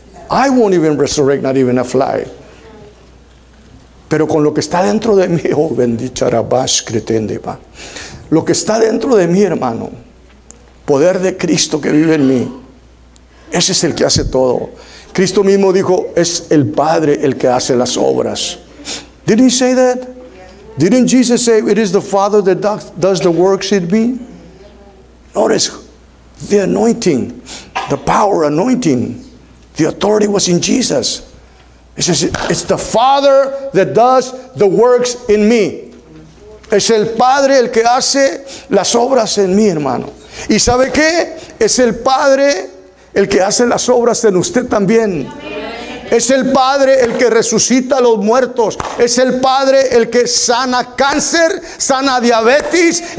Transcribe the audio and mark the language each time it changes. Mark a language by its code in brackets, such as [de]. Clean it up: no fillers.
[en] I won't even resurrect not even a fly. [es] Pero con lo que está dentro de mí, oh bendita Rabás, cretendeba. Lo que está dentro de mí, hermano, poder de Cristo que vive en mí, ese es el que hace todo. Cristo mismo dijo, es el Padre el que hace las obras. [en] Didn't he say that? Didn't Jesus say, it is the Father that does the works in me? Notice the anointing, the power anointing. The authority was in Jesus. He says, it's the Father that does the works in me. [es] Es el Padre el que hace las obras en mí, hermano. ¿Y sabe qué? Es el Padre el que hace las obras en usted también. Es el Padre el que resucita a los muertos. Es el Padre el que sana cáncer, sana diabetes.